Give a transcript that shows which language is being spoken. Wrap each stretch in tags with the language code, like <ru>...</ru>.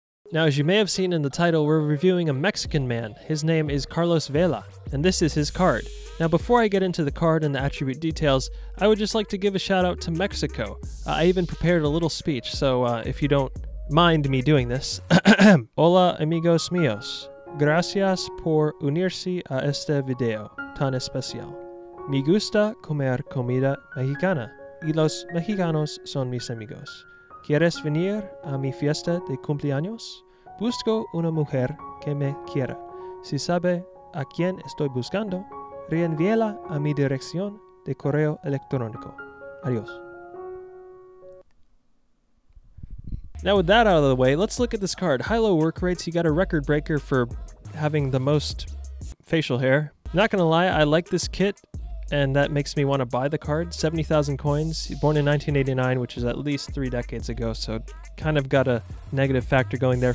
<en>Now, as you may have seen in the title, we're reviewing a Mexican man. His name is Carlos Vela, and this is his card. Now, before I get into the card and the attribute details, I would just like to give a shout out to Mexico. I even prepared a little speech, so if you don't mind me doing this.</en> <es>Hola, amigos míos. Gracias por unirse a este video tan especial. Me gusta comer comida mexicana, y los mexicanos son mis amigos. ¿Quieres venir a mi fiesta de cumpleaños? Busco una mujer que me quiera. Si sabe a quién estoy buscando, reenvíela a mi dirección de correo electrónico. Adiós.</es> <en>Now with that out of the way, let's look at this card. High-low work rates, you got a record breaker for having the most facial hair. Not gonna lie, I like this kit. And that makes me want to buy the card. 70,000 coins. Born in 1989, which is at least three decades ago, so kind of got a negative factor going there.</en>